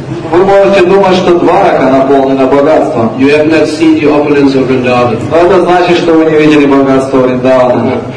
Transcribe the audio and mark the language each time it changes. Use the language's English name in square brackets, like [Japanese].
[Russian] вы можете думать, что Дварака наполнена богатством. [English] You have not seen the opulence of Vrindavan. [Russian] Но это значит, что вы не видели богатство Вриндавана.